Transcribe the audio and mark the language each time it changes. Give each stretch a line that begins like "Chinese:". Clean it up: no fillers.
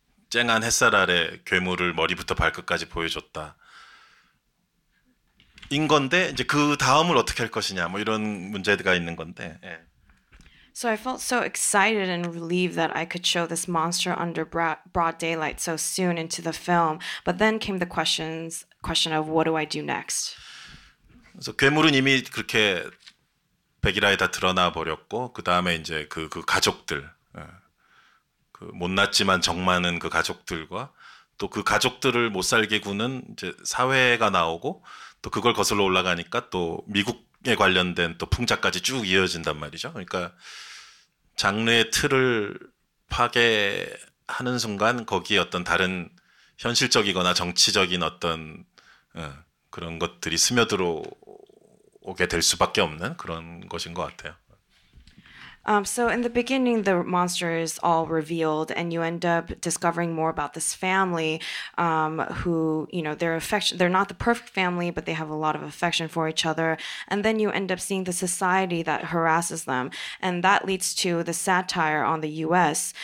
Korean: 쨍한 햇살 아래 괴물을 머리부터 발끝까지 보여줬다. 인 건데 이제 그 다음을 어떻게 할 것이냐 뭐 이런 문제가 있는 건데. 예.
English: So I felt so excited and relieved that I could show this monster under broad daylight so soon into the film. But then came the question of what do I do next?
Korean: 그래서 괴물은 이미 그렇게 백일아에 다 드러나 버렸고 그 다음에 이제 그 가족들 그 못 났지만 정 많은 그 가족들과 또 그 가족들을 못 살게 구는 이제 사회가 나오고 또 그걸 거슬러 올라가니까 또 미국에 관련된 또 풍자까지 쭉 이어진단 말이죠. 그러니까 장르의 틀을 파괴하는 순간 거기에 어떤 다른 현실적이거나 정치적인 어떤 그런 것들이 스며들어 오게 될 수밖에 없는 그런 것인 것 같아요.
English: So in the beginning, the monster is all revealed, and you end up discovering more about this family, who you know their affection. They're not the perfect family, but they have a lot of affection for each other. And then you end up seeing the society that harasses them, and that leads to the satire on the U.S.